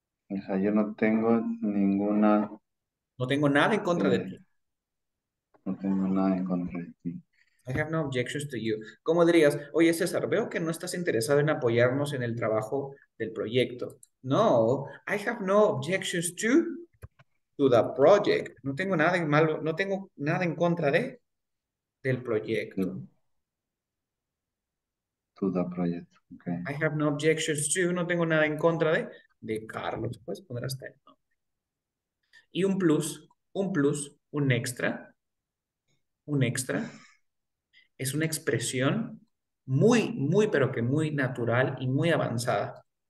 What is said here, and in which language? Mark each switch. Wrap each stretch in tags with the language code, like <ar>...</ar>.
<es>O sea, yo no tengo ninguna, No tengo nada en contra de ti. no tengo nada en contra de ti.</es> <en>I have no objections to you.</en> <es>¿Cómo dirías? Oye, César, veo que no estás interesado en apoyarnos en el trabajo del proyecto.</es> <en>No, I have no objections to the project.</en> <es>No tengo nada en malo, no tengo nada en contra de del proyecto.</es> <en>To the project, okay. I have no objections to,</en> <es>no tengo nada en contra de Carlos. Puedes poner hasta el nombre. Y un plus, un extra, es una expresión muy, muy, pero que muy natural y muy avanzada.</es>